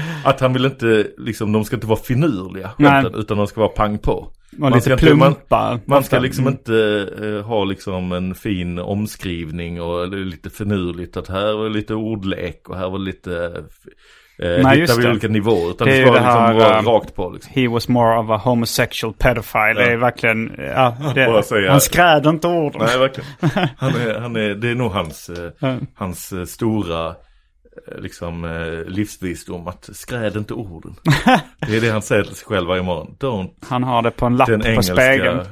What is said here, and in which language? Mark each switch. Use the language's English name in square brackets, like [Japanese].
[Swedish] Att han vill inte liksom, de ska inte vara finurliga skämten, utan de ska vara pang på. Man ska, inte, man ska liksom inte ha liksom en fin omskrivning och lite finurligt att här var lite ordlek och här var lite hittar vi olika nivåer, utan det var här, liksom rakt på liksom. [English] He was more of a homosexual pedophile. [Swedish] Det är verkligen han skräder inte orden. Nej, verkligen. Det är nog hans hans stora liksom livsvisdom, att skräder inte orden. Det är det han säger till sig själv varje morgon. [English] Don't. [Swedish] Han har det på en lapp på spegeln.